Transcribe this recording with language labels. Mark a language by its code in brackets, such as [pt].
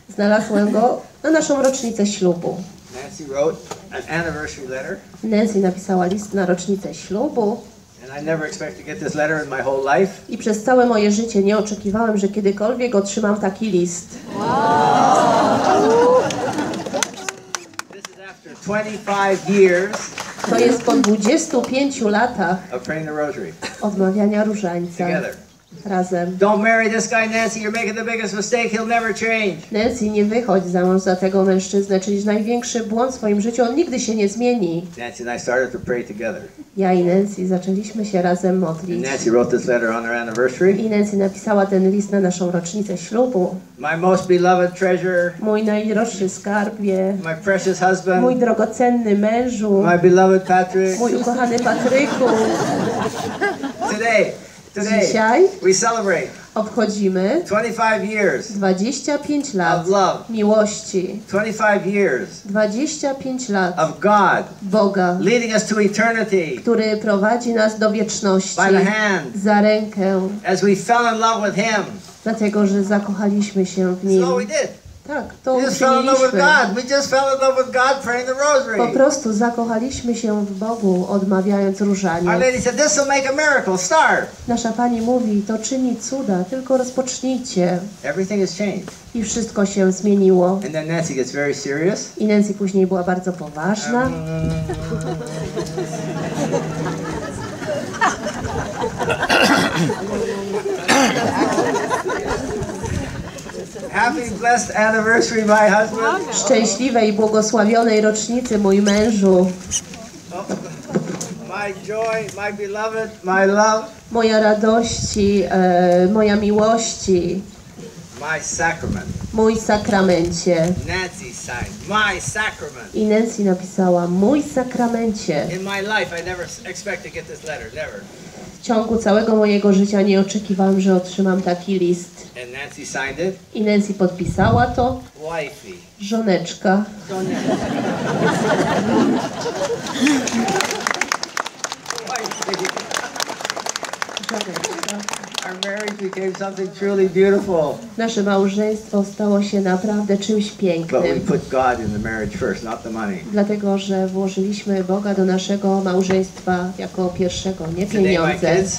[pl] Znalazłem go na naszą rocznicę ślubu. [en] Nancy wrote an anniversary letter. [pl] Nancy napisała list na rocznicę ślubu. [en] And I never expected to get this letter in my whole life. [pl] I przez całe moje życie nie oczekiwałem, że kiedykolwiek otrzymam taki list. [en] Wow. This is after 25 years. [pl] To jest po 25 latach. [en] Of praying the rosary. [pl] Odmawiania różańca. [en] Together. [pl] Razem. [en] Don't marry this guy, Nancy. You're making the biggest mistake. He'll never change. [pl] Nancy, nie wychodź za mąż za tego mężczyznę. Czyli największy błąd w swoim życiu. On nigdy się nie zmieni. [en] Nancy and I started to pray together. [pl] Ja i Nancy zaczęliśmy się razem modlić. [en] And Nancy wrote this letter on our anniversary. [pl] I Nancy napisała ten list na naszą rocznicę ślubu. [en] My most beloved treasure. [pl] Mój najdroższy skarbie. [en] My precious husband. [pl] Mój drogocenny mężu. [en] My beloved Patrick. [pl] Mój ukochany Patryku. [en] Today. [pl] Dzisiaj [en] we celebrate. [pl] obchodzimy [en] 25 years [pl] 25 lat [en] of love. [pl] Miłości [en] 25 years [pl] 25 lat [en] of God [pl] Boga [en] leading us to eternity [pl] który prowadzi nas do wieczności [en] by the hand [pl] za rękę [en] as we fell in love with him [pl] dlatego że zakochaliśmy się w nim [en] so we did. [pl] Tak, to [en] we just fell in love with God. We just fell in love with God praying the rosary. [pl] Po prostu zakochaliśmy się w Bogu, odmawiając różaniec. [en] Our lady said, "This will make a miracle. Start." [pl] Nasza pani mówi, to czyni cuda. Tylko rozpocznijcie. [en] Everything has changed. [pl] I wszystko się zmieniło. [en] And then Nancy gets very serious. [pl] I Nancy później była bardzo poważna. [en] Happy blessed anniversary, my husband. [pl] Szczęśliwej i błogosławionej rocznicy, mój mężu. [en] My joy, my beloved, my love. [pl] Moja radości, moja miłości. [en] My sacrament. [pl] Mój sakramencie. [en] Nancy signed, my sacrament. [pl] I Nancy napisała, mój sakramencie. [en] In my life, I never expected to get this letter, never. [pl] W ciągu całego mojego życia nie oczekiwałam, że otrzymam taki list. [en] And Nancy signed it. [pl] I Nancy podpisała to. [en] Wifey. [pl] Żoneczka. Żoneczka. [en] Our marriage became something truly beautiful. [pl] Nasze małżeństwo stało się naprawdę czymś pięknym. [en] But we put God in the marriage first, not the money. [pl] Dlatego, że włożyliśmy Boga do naszego małżeństwa jako pierwszego, nie pieniądze.